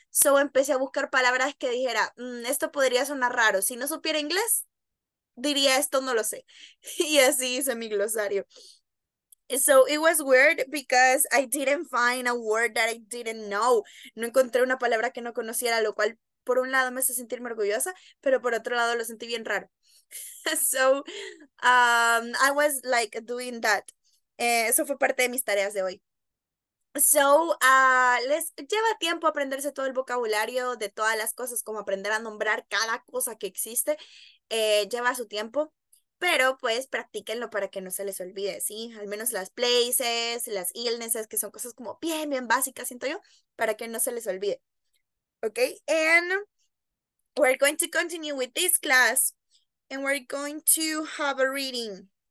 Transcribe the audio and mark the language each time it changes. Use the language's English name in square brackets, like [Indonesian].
[Spanish] So empecé a buscar palabras que dijera, esto podría sonar raro, si no supiera inglés diría esto no lo sé, y así hice mi glosario. [English] So it was weird because I didn't find a word that I didn't know. [Spanish] No encontré una palabra que no conociera, lo cual por un lado me hace sentirme orgullosa, pero por otro lado lo sentí bien raro. [English] So I was like doing that. [Spanish] Eso fue parte de mis tareas de hoy. So les lleva tiempo aprenderse todo el vocabulario de todas las cosas, como aprender a nombrar cada cosa que existe. Lleva su tiempo. Pero pues practíquenlo para que no se les olvide, ¿sí? Al menos las places, las illnesses, que son cosas como bien, bien básicas, siento yo, para que no se les olvide. [English] Ok, and we're going to continue with this class, and we're going to have a reading.